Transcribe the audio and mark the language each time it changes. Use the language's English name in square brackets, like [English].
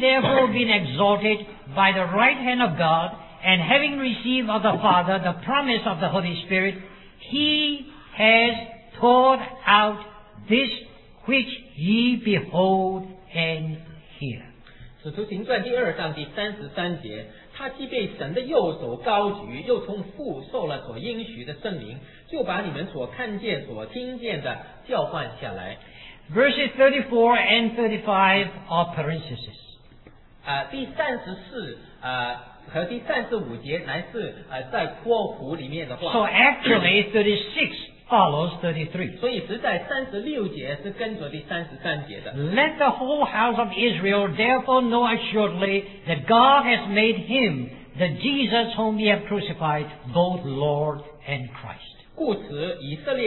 [English] therefore been exalted by the right hand of God, and having received of the Father the promise of the Holy Spirit, he has poured out this which ye behold and hear. [Chinese] 使徒行传第二章第33节, 他既被神的右手高举, 又从父受了所应许的圣灵, 就把你们所看见所听见的交换下来。 [English] Verses 34 and 35 are parentheses. [Chinese] 第34和第35节乃是在括弧里面的话。 [English] So actually, 36 follows 33. [Chinese] 所以实在36节是跟着第33节的。 [English] Let the whole house of Israel therefore know assuredly that God has made him, the Jesus whom he have crucified, both Lord and Christ.